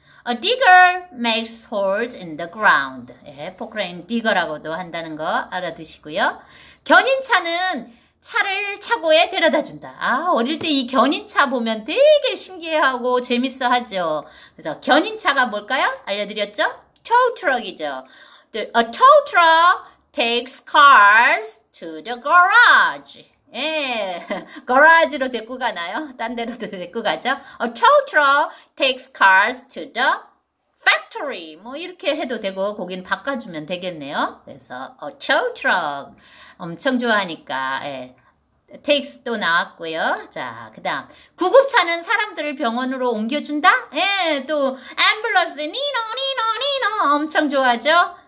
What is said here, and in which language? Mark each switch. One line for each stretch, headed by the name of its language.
English: A digger makes holes in the ground.
Korean: 예, 포크레인 디거라고도 한다는 거 알아두시고요. 견인차는 차를 차고에 데려다 준다. 아, 어릴 때이 견인차 보면 되게 신기하고 재밌어 하죠. 그래서 견인차가 뭘까요? 알려드렸죠? Tow truck이죠.
English: A tow truck takes cars to the garage.
Korean: 예, 가라지로 데리고 가나요? 딴 데로도 데리고 가죠?
English: A tow truck takes cars to the factory.
Korean: 뭐 이렇게 해도 되고 거기는 바꿔주면 되겠네요. 그래서 A tow truck 엄청 좋아하니까 예, takes 또 나왔고요. 자, 그다음 구급차는 사람들을 병원으로 옮겨준다? 예, 또 ambulance 니노 엄청 좋아하죠?